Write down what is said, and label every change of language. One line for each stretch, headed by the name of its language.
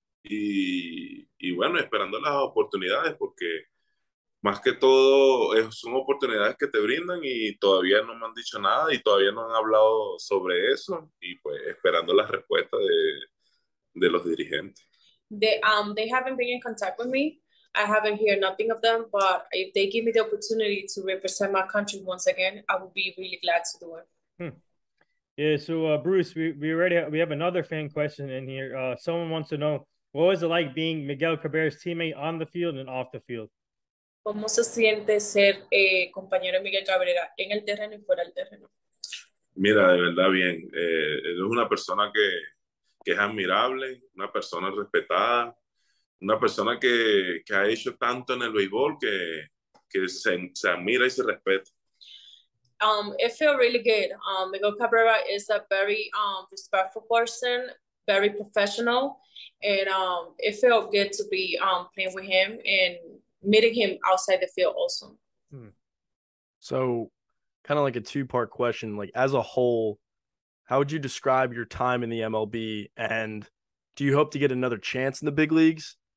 Spanish: Y bueno, esperando las oportunidades porque más que todo, son oportunidades que te brindan y todavía no me han dicho nada y todavía no han hablado sobre eso y pues esperando la respuesta de los dirigentes.
English: They haven't been in contact with me. I haven't heard nothing of them, but if they give me the opportunity to represent my country once again, I would be really glad to do it. Yeah, so Bruce, we have another fan question in here. Someone wants to know, what was it like being Miguel Cabrera's teammate on the field and off the field?
Spanish: ¿Cómo se siente ser compañero Miguel Cabrera en el terreno y fuera del terreno? Mira, de verdad, bien. Él es una persona que es admirable, una persona respetada, una persona que ha hecho tanto en el béisbol que se admira y se respeta.
English: It feels really good. Miguel Cabrera is a very respectful person, very professional, and it felt good to be playing with him and meeting him outside the field also. So kind of like a two-part question, like as a whole, how would you describe your time in the MLB and do you hope to get another chance in the big leagues?